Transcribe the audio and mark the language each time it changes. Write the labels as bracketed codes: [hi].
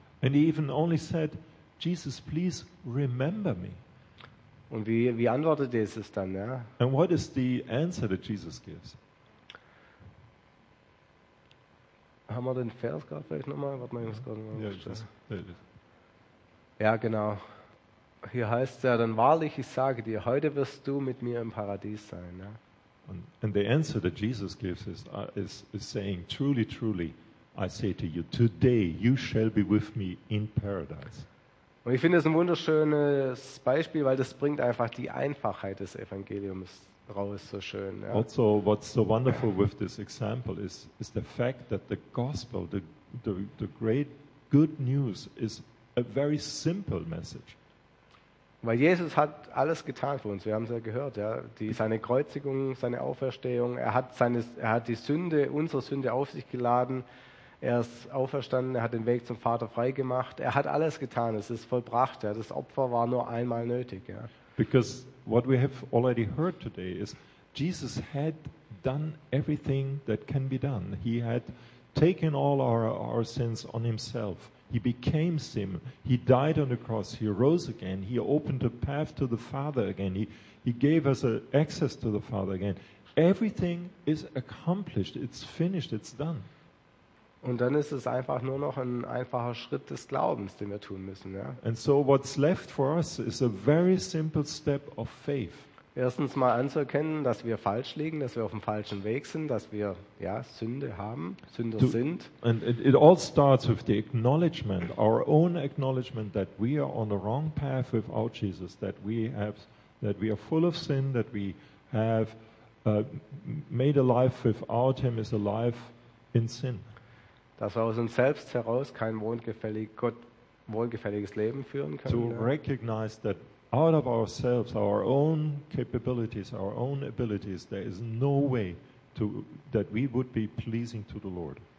[en] And he even only said, Jesus, please remember me. [de] Und wie antwortet Jesus dann, ja? [en] And what is the answer that Jesus gives? [de] Haben wir den Vers gerade vielleicht nochmal? Warte mal, ich muss gerade mal aufstellen. Ja, genau. Hier heißt es ja, dann wahrlich, ich sage dir, heute wirst du mit mir im Paradies sein. Ja? [en] And the answer that Jesus gives is saying, truly, truly, I say to you, today you shall be with me in paradise. [de] Und ich finde es ein wunderschönes Beispiel, weil das bringt einfach die Einfachheit des Evangeliums. So schön, ja. [en] Also, what's so wonderful with this example is the fact that the gospel, the great good news, is a very simple message. [de] Weil Jesus hat alles getan für uns. Wir haben es ja gehört, ja. Seine Kreuzigung, seine Auferstehung. Er hat die Sünde, unsere Sünde, auf sich geladen. Er ist auferstanden. Er hat den Weg zum Vater freigemacht. Er hat alles getan. Es ist vollbracht. Ja. Das Opfer war nur einmal nötig. Ja. [en] Because what we have already heard today is Jesus had done everything that can be done. He had taken all our sins on himself. He became sin. He died on the cross. He rose again. He opened a path to the Father again. He gave us access to the Father again. Everything is accomplished. It's finished. It's done. [de] Und dann ist es einfach nur noch ein einfacher Schritt des Glaubens, den wir tun müssen. Ja? [en] And so what's left for us is a very simple step of faith. [de] Erstens mal anzuerkennen, dass wir falsch liegen, dass wir auf dem falschen Weg sind, dass wir ja Sünde haben, Sünder sind. [en] And it all starts with the acknowledgement, our own acknowledgement that we are on the wrong path without Jesus, that we are full of sin, that we have made a life without him is a life in sin. [de] Dass wir aus uns selbst heraus kein wohlgefälliges Leben führen können. [en] To recognize that out of ourselves, our own capabilities, our own abilities, there is no way that we would be pleasing to the Lord.